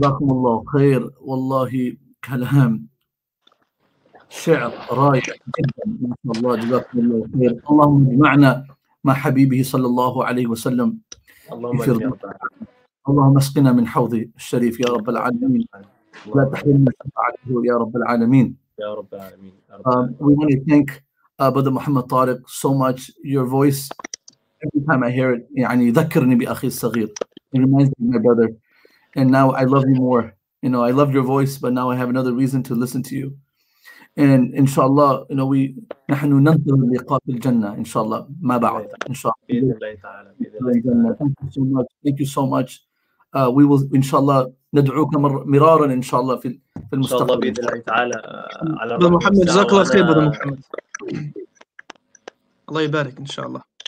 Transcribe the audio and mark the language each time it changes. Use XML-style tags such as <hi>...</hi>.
<ar>جزاكم الله خير والله كلام شعر رائع جدا ما شاء الله جزاكم الله خير اللهم اجمعنا مع حبيبه صلى الله عليه وسلم اللهم اسقنا من حوض الشريف يا رب العالمين لا تحرمنا شفاعته يا رب العالمين يا رب العالمين.</ar> <en>We want to thank Brother Mohamed Tarek so much. Your voice, every time I hear it,</en> <ar>يعني يذكرني بأخي الصغير.</ar> <en>It reminds me of my brother. And now I love you more. You know, I love your voice, but now I have another reason to listen to you. And inshallah, you know,</en> <ar>نحن ننتظر لقاء الجنة,</ar> <en>inshallah,</en> <ar>ما بعد,</ar> <en>inshallah. Thank you so much. Thank you so much. We will, inshallah,</en> <ar>ندعوك مرارا,</ar> <en>inshallah,</en> <ar>في المستقبل. إن شاء الله بإذن الله تعالى. على محمد, جزاك الله خير, أبو محمد. الله يبارك, inshallah.</ar>